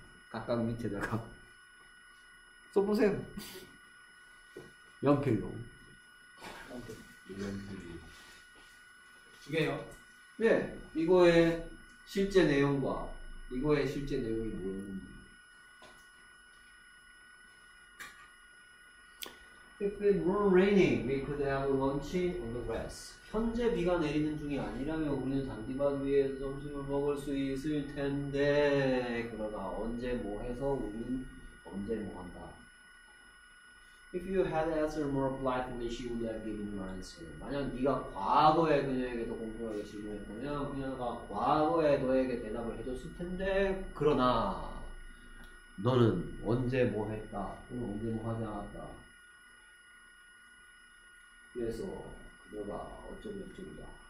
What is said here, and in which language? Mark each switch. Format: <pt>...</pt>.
<ko>각각 밑에다가 써보세요. 연필로. 두 개요? 네. 이거의 실제 내용과 이거의 실제 내용이 뭐였는지.</ko> <en>If it weren't raining, we could have lunch on the grass.</en> <ko>현재 비가 내리는 중이 아니라면 우리는 잔디밭 위에서 점심을 먹을 수 있을 텐데, 그러나 언제 뭐 해서 우리는 언제 뭐 한다.</ko> <en>If you had asked more politely, she would have given you an answer.</en> <ko>만약 네가 과거에 그녀에게 더 공손하게 질문했다면 그녀가 과거에 너에게 대답을 해줬을 텐데, 그러나 너는 언제 뭐 했다 또는 언제 뭐 하지 않았다. 그래서 그녀가 어쩌면 어쩌다.</ko>